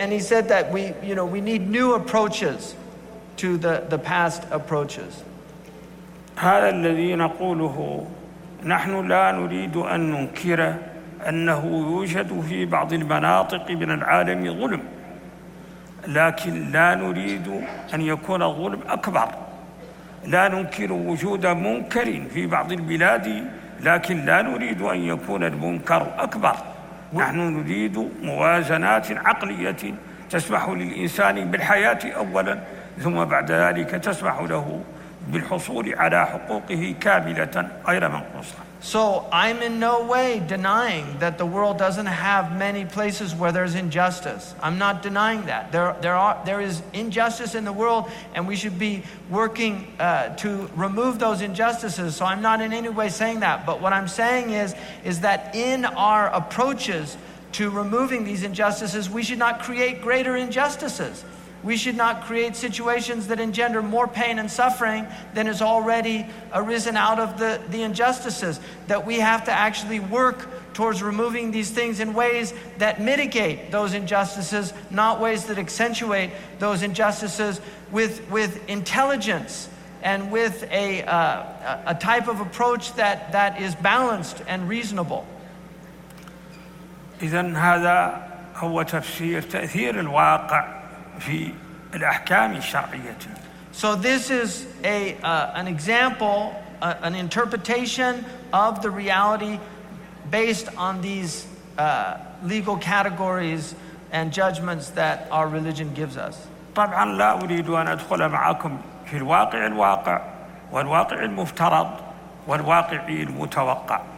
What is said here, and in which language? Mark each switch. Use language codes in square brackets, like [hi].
[en] We need new approaches to the past approaches. [ar] هذا الذي نقوله نحن لا نريد أن ننكر أنه يوجد في بعض المناطق من العالم ظلم لكن لا نريد أن يكون الظلم أكبر لا ننكر وجود منكر في بعض البلاد لكن لا نريد أن يكون المنكر أكبر نحن نريد موازنات عقلية تسمح للإنسان بالحياة أولا ثم بعد ذلك تسمح له بالحصول على حقوقه كاملة غير منقوصة. [en] So I'm in no way denying that the world doesn't have many places where there's injustice. I'm not denying that. There is injustice in the world, and we should be working to remove those injustices. So I'm not in any way saying that. But what I'm saying is that in our approaches to removing these injustices, we should not create greater injustices. We should not create situations that engender more pain and suffering than has already arisen out of the injustices. That we have to actually work towards removing these things in ways that mitigate those injustices, not ways that accentuate those injustices, with intelligence and with a type of approach that is balanced and reasonable. [ar] إذن هذا هو تفسير تأثير الواقع في الأحكام الشرعية. [en] So this is an example, an interpretation of the reality based on these legal categories and judgments that our religion gives us. [ar] طبعا لا أريد أن أدخل معكم في الواقع الواقع والواقع المفترض والواقع المتوقع.